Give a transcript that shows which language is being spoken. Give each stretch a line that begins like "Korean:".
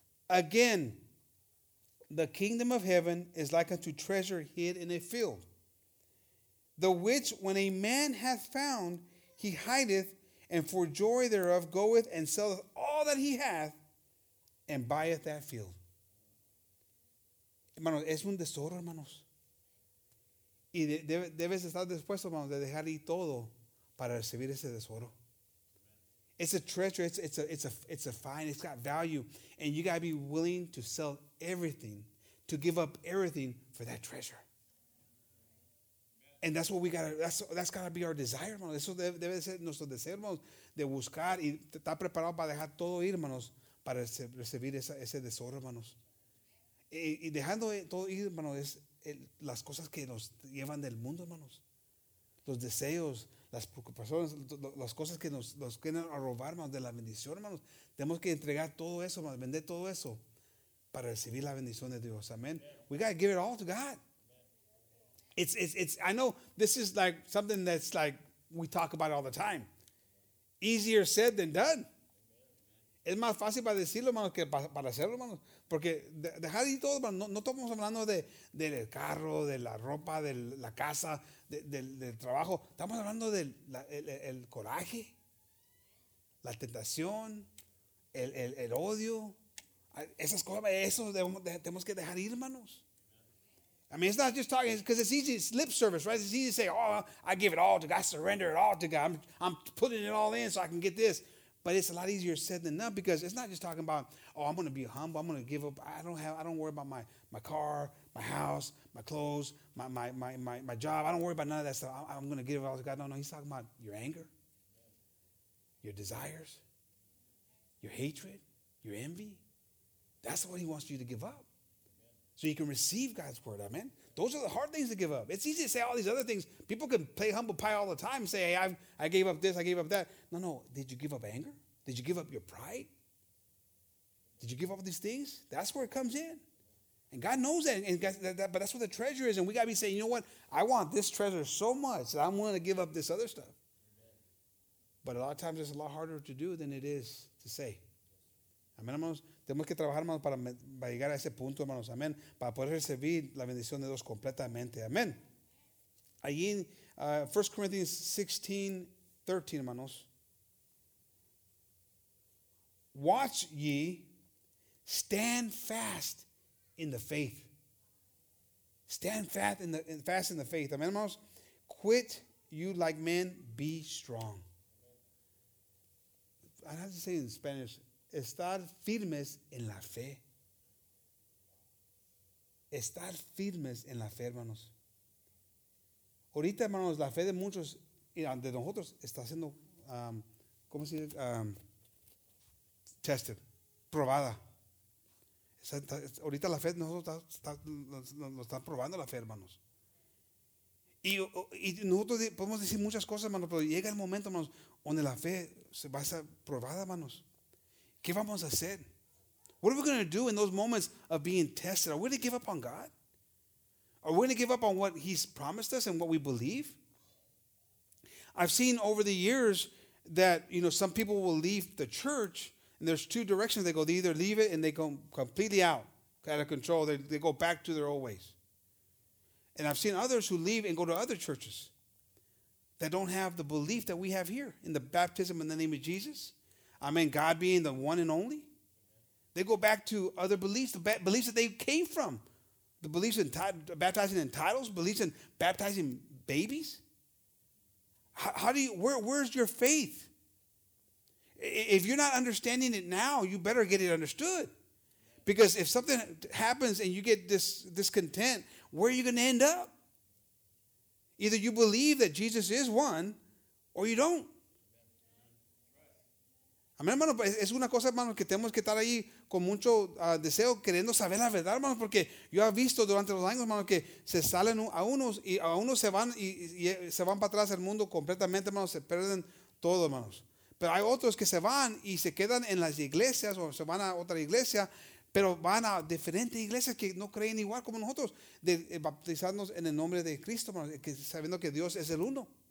English: Again, the kingdom of heaven is like unto treasure hid in a field, the which when a man hath found, he hideth, and for joy thereof goeth and selleth all that he hath, and buyeth that field.
Spanish: Hermanos, es un tesoro, hermanos. Y debes estar dispuesto, hermanos, de dejar ahí todo para recibir ese tesoro.
English: It's a treasure. It's a find. It's got value. And you got to be willing to sell everything, to give up everything for that treasure. And that's what we got to, that's got to be our desire, hermanos.
Spanish: Eso debe ser nuestro deseo, hermanos, de buscar y estar preparado para dejar todo ir, hermanos, para recibir ese tesoro, hermanos. Y dejando todo ir, hermanos, es las cosas que nos llevan del mundo, hermanos. los deseos, las preocupaciones, las cosas que nos quieren robar, hermanos, de la bendición, hermanos. Tenemos que entregar todo eso, hermanos, vender todo eso para recibir la bendición de Dios.
English: Amén. We got to give it all to God. It's I know this is like something that's like we talk about all the time. Easier said than done.
Spanish: Es más fácil para decirlo, hermano, que para hacerlo, hermano. Porque dejar ahí todo, hermano. No estamos hablando del carro, de la ropa, de la casa, del trabajo. Estamos hablando del coraje, la tentación, el odio. Esas cosas, eso tenemos que dejar ir, hermanos.
English: I mean, it's not just talking, because it's easy, it's lip service, right? It's easy to say, oh, I give it all to God, I surrender it all to God. I'm putting it all in so I can get this. But it's a lot easier said than done, because it's not just talking about, oh, I'm going to be humble, I'm going to give up. I don't worry about my car, my house, my clothes, my job. I don't worry about none of that stuff. I'm going to give it all to God. No, he's talking about your anger, your desires, your hatred, your envy. That's what he wants you to give up. So you can receive God's word, amen? Those are the hard things to give up. It's easy to say all these other things. People can play humble pie all the time and say, hey, I gave up this, I gave up that. No, did you give up anger? Did you give up your pride? Did you give up these things? That's where it comes in. And God knows that, but that's where the treasure is. And we got to be saying, you know what? I want this treasure so much that I'm willing to give up this other stuff. But a lot of times it's a lot harder to do than it is to say.
Spanish: Amen, hermanos. Tenemos que trabajar, hermanos, para llegar a ese punto, hermanos. Amén. Para poder recibir la bendición de Dios completamente. Amén. Allí en 1 Corinthians 16, 13, hermanos.
English: Watch ye, stand fast in the faith. Stand fast in the faith.
Spanish: Amén, hermanos.
English: Quit you like men, be strong. I have to say in Spanish,
Spanish: estar firmes en la fe. Estar firmes en la fe, hermanos. Ahorita, hermanos, la fe de muchos y de nosotros está siendo, ¿cómo se dice? Tested, probada. Ahorita la fe de nosotros está probando la fe, hermanos. Y nosotros podemos decir muchas cosas, hermanos, pero llega el momento, hermanos, donde la fe se va a ser probada, hermanos. ¿Qué vamos a hacer?
English: What are we going to do in those moments of being tested? Are we going to give up on God? Are we going to give up on what he's promised us and what we believe? I've seen over the years that, you know, some people will leave the church, and there's two directions they go. They either leave it and they go completely out of control. They go back to their old ways. And I've seen others who leave and go to other churches that don't have the belief that we have here in the baptism in the name of Jesus. I mean, God being the one and only. They go back to other beliefs, the beliefs that they came from. The beliefs in baptizing in titles, beliefs in baptizing babies. Where's your faith? If you're not understanding it now, you better get it understood. Because if something happens and you get this discontent, where are you going to end up? Either you believe that Jesus is one or you don't.
Spanish: Amén, hermano, es una cosa, hermano, que tenemos que estar ahí con mucho deseo, queriendo saber la verdad, hermano, porque yo he visto durante los años, hermano, que se salen a unos se van y se van para atrás del mundo completamente, hermano, se pierden todo, hermanos. Pero hay otros que se van y se quedan en las iglesias o se van a otra iglesia, pero van a diferentes iglesias que no creen igual como nosotros, de bautizarnos en el nombre de Cristo, hermano, que sabiendo que Dios es el uno.